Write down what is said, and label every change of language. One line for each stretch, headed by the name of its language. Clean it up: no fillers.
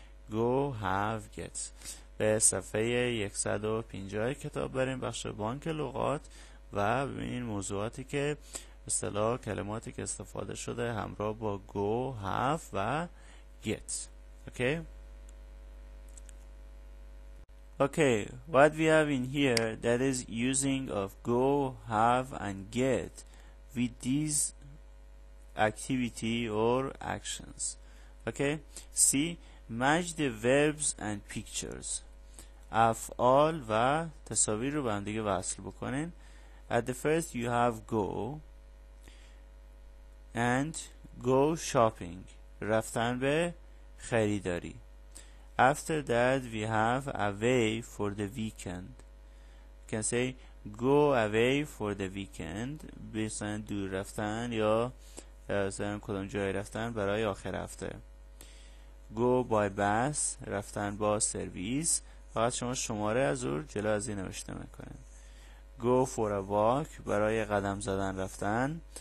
English: Go have get.
Persian: به صفحه 150 کتاب بریم، بخش بانک لغات، و ببینین موضوعاتی که اصطلاح کلماتی که استفاده شده همراه با go have و get.
English: Okay. Okay, what we have in here, that is using of go, have and get with these activity or actions. Okay, see, match the verbs and pictures.
Persian: افعال و تصاویر رو به هم دیگه وصل بکنین.
English: At the first you have go and go shopping.
Persian: رفتن به خریداری.
English: After that we have away for the weekend. You can say go away for the weekend.
Persian: بسن دور رفتن یا بسن کدام جای رفتن برای آخر هفته.
English: Go by bus.
Persian: رفتن با سرویس. فقط شما شماره از اون جلو از این نوشته میکنین.
English: Go for a walk.
Persian: برای قدم زدن رفتن.